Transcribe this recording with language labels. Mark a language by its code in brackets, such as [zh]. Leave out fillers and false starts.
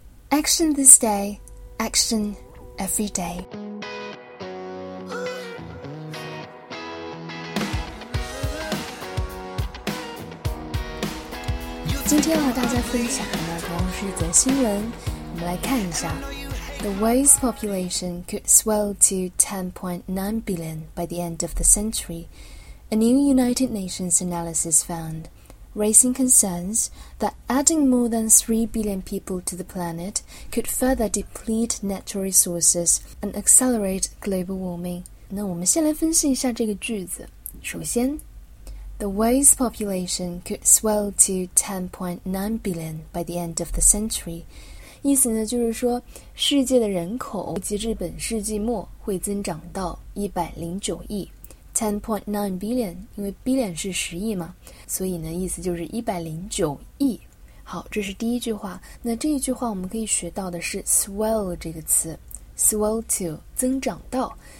[en] Action this day, action every day. [zh] 今天和大家分享的同时则新闻，我们来看一下。 [en] The world's population could swell to 10.9 billion by the end of the century. A new United Nations analysis found, raising concerns that adding more than 3 billion people to the planet could further deplete natural resources and accelerate global warming. [zh] 那我们先来分析一下这个句子。首先 [en] The world's population could swell to 10.9 billion by the end of the century. [zh] 意思呢就是说世界的人口及至本世纪末会增长到109亿。 10.9 billion, 因为 billion 是十亿嘛，所以呢意思就是109亿。好，这是第一句话。那这一句话我们可以学到的是 swell 这个词， swell to, 增长到。